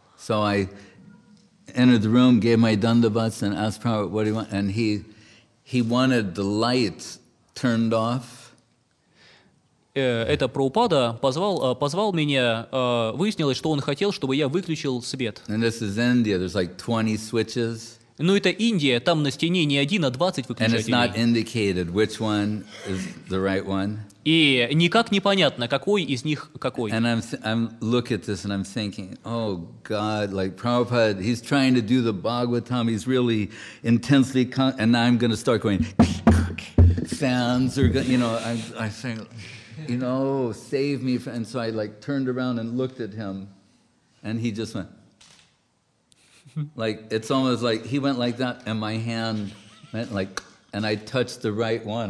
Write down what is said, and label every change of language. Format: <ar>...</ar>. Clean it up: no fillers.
<en>So I entered the room, gave my dandavats and asked Prabhupada what he wanted. And he wanted the lights turned off.</en> <ru>Это Прабхупада позвал меня, выяснилось, что он хотел, чтобы я выключил свет.</ru> <en>And this is India. There's like 20 switches.</en> <ru>Ну, это Индия, там на стене не один, а 20 выключателей.</ru> <en>And it's not indicated which one is the right one.</en> <ru>И никак не понятно, какой из них какой.</ru> <en>And I'm look at this and I'm thinking, oh God, like Prabhupada, he's trying to do the Bhagavatam, he's really intensely, and I'm going to start going, fans are going, you know, I think... You know, save me. And so I like turned around and looked at him, and he just went like, it's almost like he went like that, and my hand went like, and I touched the right one.</en>